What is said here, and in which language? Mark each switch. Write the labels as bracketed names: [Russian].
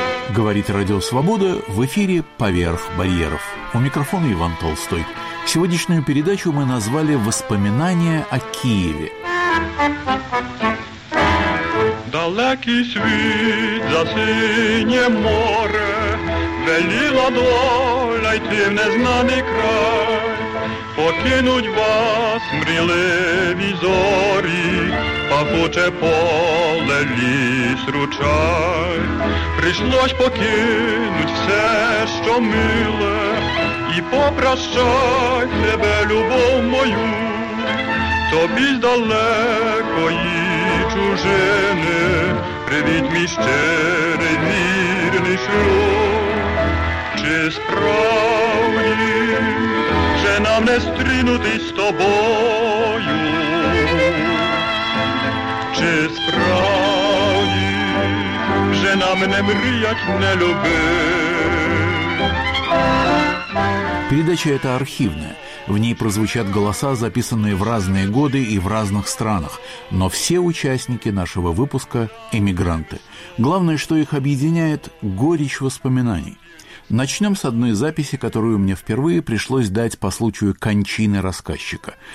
[Russian] Говорит Радио Свобода, в эфире «Поверх барьеров». У микрофона Иван Толстой. Сегодняшнюю передачу мы назвали «Воспоминания о Киеве». [Ukrainian] Далекий світ за синє море веліла доля йти в незнаний край. Покинуть вас мріливі зорі, папуче поле, ліс, ручай. Прийшлось покинуть все, що миле, і попрощай тебе, любов мою. Тобі з далекої чужини привіт мій щирий, вірний шлюб. Чи справді, вже нам не стрінутись з тобою? Чи справді, вже нам не мріять, не любить? [Russian] Передача ета архівна. В ней прозвучат голоса, записанные в разные годы и в разных странах, но все участники нашего выпуска – эмигранты. Главное, что их объединяет – горечь воспоминаний. Начнем с одной записи, которую мне впервые пришлось дать по случаю кончины рассказчика.